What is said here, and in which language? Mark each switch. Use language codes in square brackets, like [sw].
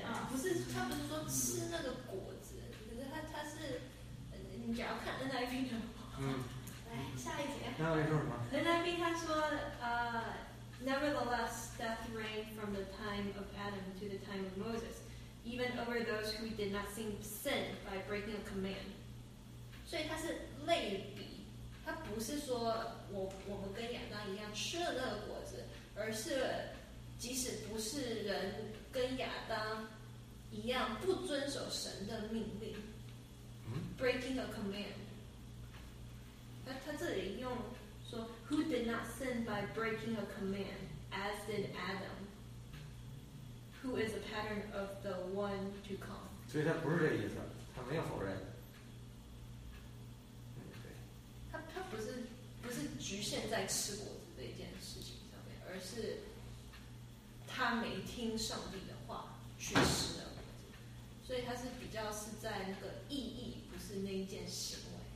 [zh] 啊，不是他不是说吃那个果子，可是他是你只要看 NIV 的话，嗯。下一节。那边他说 [en] Nevertheless, death reigned from the time of Adam to the time of Moses, even over those who did not sin by breaking a command. [zh] 所以他是类比，他不是说我们跟亚当一样吃了那个果子，而是即使不是人跟亚当一样不遵守神的命令，嗯 [en] ，breaking a command。 [zh] 他这里用说 [en] who did not sin by breaking a command as did Adam who is a pattern of the one to come， [zh] 所以他不是这个意思，他没有否认，他不是局限在吃果子这件事情上面，而是他没听上帝的话去吃了果子，所以他是比较是在那个意义，不是那一件行为。